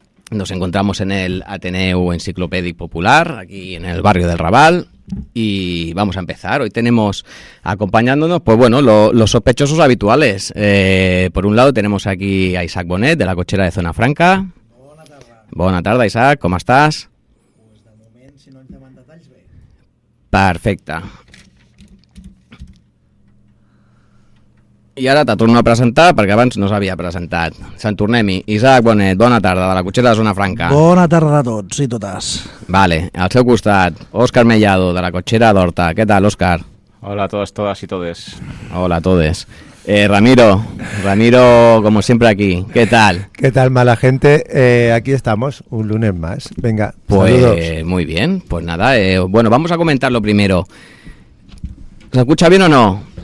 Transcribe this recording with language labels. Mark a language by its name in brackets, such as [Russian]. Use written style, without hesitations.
[Spanish] Nos encontramos en el Ateneu Enciclopédic Popular, aquí en el barrio del Raval. Y vamos a empezar. Hoy tenemos acompañándonos, pues bueno, los sospechosos habituales. Por un lado tenemos aquí a Isaac Bonet, de la cochera de Zona Franca. [Catalan] Bona tarda, Isaac, com estàs? Pues de moment, si no ens demanen detalls, bé. Perfecte. I ara te torno a presentar perquè abans no s'havia presentat. Sant Tornem-hi. Isaac Bonet, bona tarda, de la cotxera de Zona Franca. Bona tarda a tots i totes. Vale, al seu costat, Òscar Mellado, de la cotxera d'Horta. Què tal, Òscar? Hola a tots, totes i totes. Hola a totes. [Spanish] Ramiro, como siempre aquí, ¿qué tal? ¿Qué tal, mala gente? Aquí estamos, un lunes más, venga, pues, saludos. Pues muy bien, pues nada, bueno, vamos a comentar lo primero. ¿Se escucha bien o no?